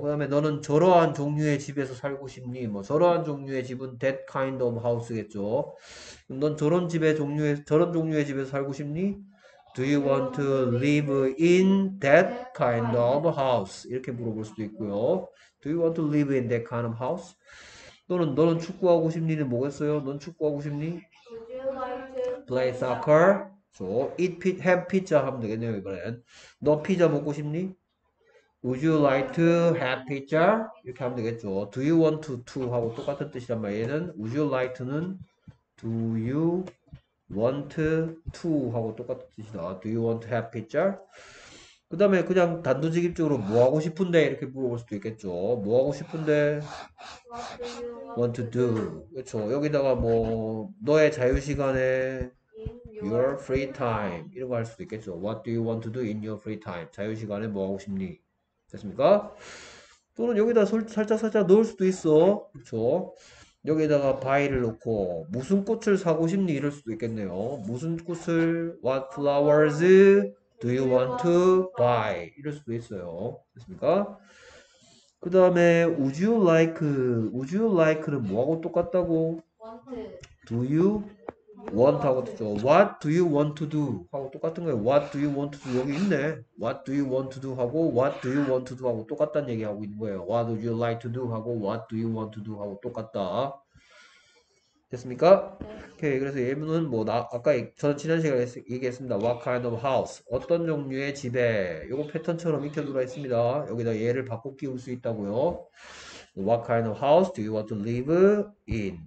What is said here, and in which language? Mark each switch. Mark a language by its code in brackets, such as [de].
[ko] 그 다음에 너는 저러한 종류의 집에서 살고 싶니? 뭐 저러한 종류의 집은 [en] that kind of house [ko] 겠죠. 넌 저런 종류의 집에서 살고 싶니? [en] Do you want to live in that kind of house? [ko] 이렇게 물어볼 수도 있고요. [en] Do you want to live in that kind of house? [ko] 너는 축구하고 싶니는 뭐겠어요? 넌 축구하고 싶니? [en] play soccer. So, have pizza [ko] 하면 되겠네요, 이번엔. 너 피자 먹고 싶니? [en] Would you like to have pizza? [ko] 이렇게 하면 되겠죠. [en] Do you want to [ko] 하고 똑같은 뜻이란 말이에요. [en] Would you like to는 Do you want to [ko] 하고 똑같은 뜻이다. [en] Do you want to have pizza? [ko] 그 다음에 그냥 단도직입적으로 뭐 하고 싶은데? 이렇게 물어볼 수도 있겠죠. 뭐 하고 싶은데? [en] What do you Want want to to do? [ko] do. 그렇죠. 여기다가 뭐 너의 자유시간에 [en] Your free time. [ko] 이런 거할 수도 있겠죠. [en] What do you want to do in your free time? [ko] 자유시간에 뭐 하고 싶니? 됐습니까? 또는 여기다 살짝 넣을 수도 있어. 그렇죠. 여기에다가 바위를 놓고 무슨 꽃을 사고 싶니? 이럴 수도 있겠네요. 무슨 꽃을 [en] What flowers do you want to buy? [ko] 이럴 수도 있어요. 됐습니까? 그 다음에 [en] Would you like [ko] 는 뭐하고 똑같다고? [en] Do you want [ko] 하고 똑같죠. [en] What do you want to do? [ko] 하고 똑같은 거예요. [en] What do you want to do? [ko] 여기 있네. [en] What do you want to do? 하고 What do you want to do? [ko] 하고 똑같다는 얘기 하고 있는 거예요. [en] What would you like to do? 하고 What do you want to do? [ko] 하고 똑같다. 됐습니까? 오케이. 그래서 예문은 뭐, 저 지난 시간에 얘기했습니다. [en] What kind of house? [ko] 어떤 종류의 집에? 요거 패턴처럼 익혀 들어와 있습니다. 여기다 얘를 바꿔 끼울 수 있다고요. [en] What kind of house do you want to live in?